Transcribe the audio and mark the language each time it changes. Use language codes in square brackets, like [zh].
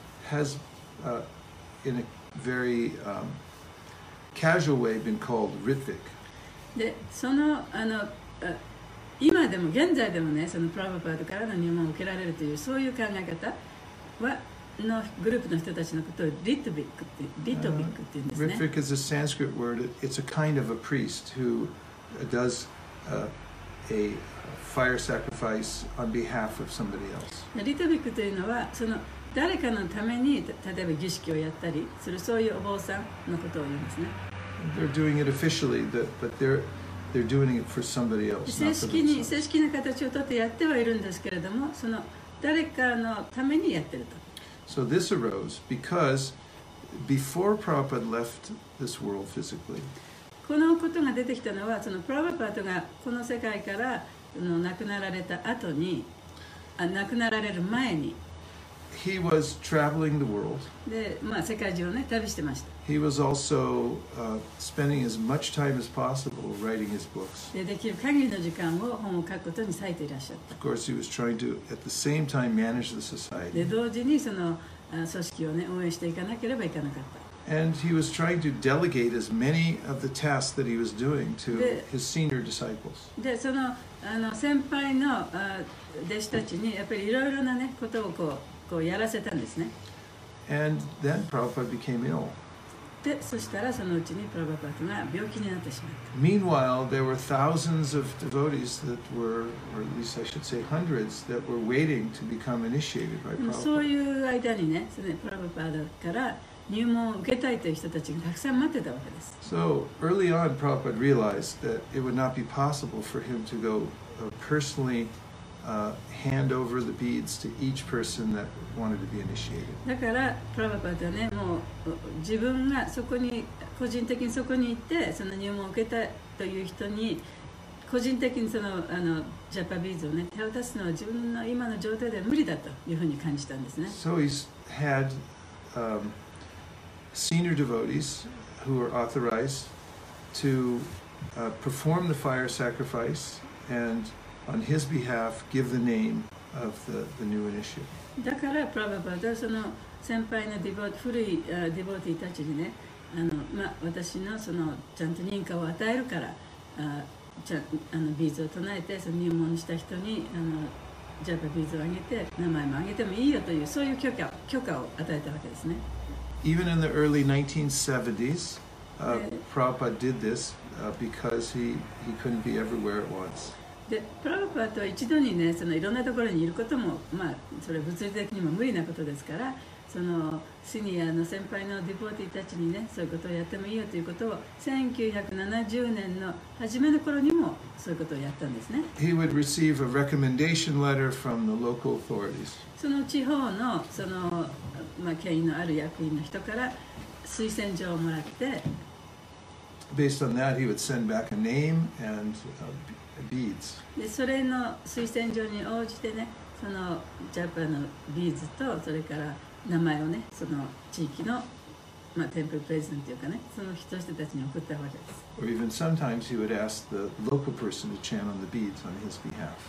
[en] Has in a very casual way been called Ritvik. [ja] で、その、あの、今でも現在でもね、そのプラバパーダからの入門を受けられるというそういう考え方はのグループの人たちのことをリトビックっていうんですね。 [en] Ritvik is a Sanskrit word. It's a kind of a priest who does a fire sacrifice on behalf of somebody else. [ja] リトビックというのはその誰かのために例えば儀式をやったりするそういうお坊さんのことを言いますね。 [en] They're doing it officially, but they're doing it for somebody else. [ja] 正式な形をとってやってはいるんですけれども、その誰かのためにやってると。 [en] So this arose because before Prabhupada left this world physically. [ja] このことが出てきたのはそのプラバパートがこの世界からの亡くなられた後に、あ、亡くなられる前に。 [en] He was traveling the world. [ja] で、まあ、世界中をね、旅してました。 [en] He was also spending as much time as possible writing his books. [ja] で、できる限りの時間を本を書くことに割いていらっしゃった。 [en] Of course, he was trying to, at the same time, manage the society. [ja] で、同時にその組織をね、運営していかなければいかなかった。 [en] And he was trying to delegate as many of the tasks that he was doing to his senior disciples. [ja] で、その、あの、先輩の、弟子たちにやっぱりいろいろなね、ことをこう。こうやらせたんですね。 [en] And then Prabhupada became ill. [ja] で、そしたらそのうちにプラバパートが病気になってしまった。 [en] Meanwhile, there were thousands of devotees that were, or at least I should say hundreds, that were waiting to become initiated by Prabhupada. [ja] そういう間にね、そのプラバパートから入門を受けたいという人たちがたくさん待ってたわけです。 [en] So early on, Prabhupada realized that it would not be possible for him to go personally. Hand over the beads to each person that wanted to be initiated. [ja] だからプラバパーダはね、もう自分がそこに個人的にそこに行ってその入門を受けたという人に個人的にそのあのジャパビーズをね手を出すのは自分の今の状態では無理だというふうに感じたんですね。 [en] So he had senior devotees who were authorized to perform the fire sacrifice and. On his behalf, give the name of the new initiate. [ja] だからプラバパーダその先輩のディボ古いディボティたちにね、あのまあ私のそのちゃんと認可を与えるから、ちゃあのビーズを唱えてその入門した人にあのジャパビーズをあげて名前もあげてもいいよというそういう許可を与えたわけですね。 [en] Even in the early 1970s, Prabhupada did this because he couldn't be everywhere at once. [ja] でプラバパーダは一度にね、そのいろんなところにいることも、まあ、それ物理的にも無理なことですから、そのシニアの先輩のディボーティーたちにね、そういうことをやってもいいよということを、1970年の初めの頃にもそういうことをやったんですね。 [en] He would receive a recommendation letter from the local authorities. [ja] その地方の、その、まあ、権威のある役員の人から推薦状をもらって、 [en] Based on that, he would send back a name and beads. [ja] で、それの推薦状に応じてね、そのジャパのビーズとそれから名前をね、その地域のまあテンプルプレゼントというかね、その人たちに送ったわけです。 [en] Or even sometimes he would ask the local person to chant on the beads on his behalf.